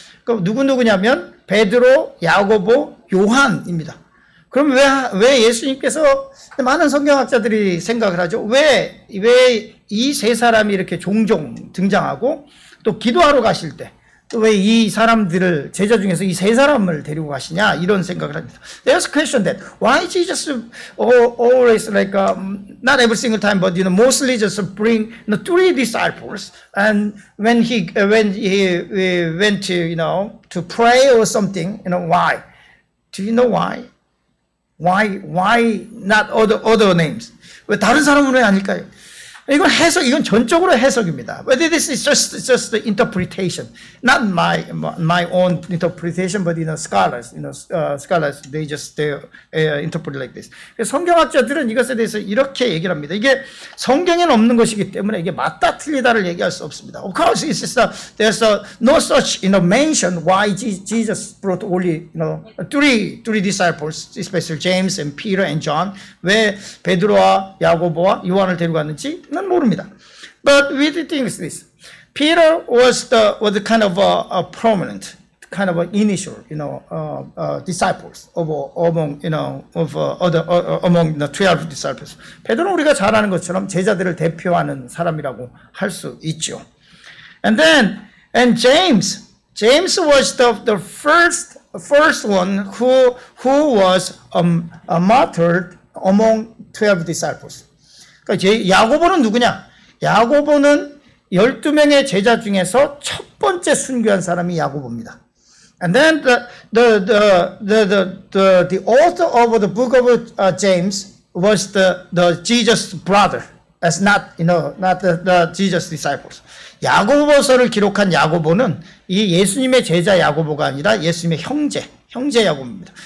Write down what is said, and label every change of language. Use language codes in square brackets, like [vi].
[ko] 그럼 누구냐면, 베드로, 야고보, 요한입니다. 그럼 왜 예수님께서 많은 성경학자들이 생각을 하죠? 왜 이 세 사람이 이렇게 종종 등장하고 또 기도하러 가실 때 또 왜 이 사람들을 제자 중에서 이 세 사람을 데리고 가시냐 이런 생각을 합니다. [en] There's a question that why Jesus always like not every single time but you know mostly just bring the three disciples and when he went to you know to pray or something you know why do you know why? Why not other names? [ko] 왜 다른 사람은 왜 아닐까요? 이건 해석, 이건 전적으로 해석입니다. [en] But this is just the interpretation, not my own interpretation, but scholars, they just interpret like this. [ko] 성경학자들은 이것에 대해서 이렇게 얘기를 합니다. 이게 성경에는 없는 것이기 때문에 이게 맞다 틀리다를 얘기할 수 없습니다. [en] Of course, it's just there's no such mention why Jesus brought only three disciples, especially James and Peter and John. [ko] 왜 베드로와 야고보와 요한을 데리고 갔는지 난 모릅니다. [en] But we think this. Peter was kind of a prominent, kind of an initial, disciples of among, of other among the 12 disciples. [ko] 베드로는 우리가 잘 아는 것처럼 제자들을 대표하는 사람이라고 할 수 있죠. [en] And then and James was the first one who was martyred among 12 disciples. [ko] 야고보는 누구냐? 야고보는 12명의 제자 중에서 첫 번째 순교한 사람이 야고보입니다. [en] And then the author of the book of James was the Jesus brother, as not the Jesus disciples. [ko] 야고보서를 기록한 야고보는 이 예수님의 제자 야고보가 아니라 예수님의 형제 야고보입니다.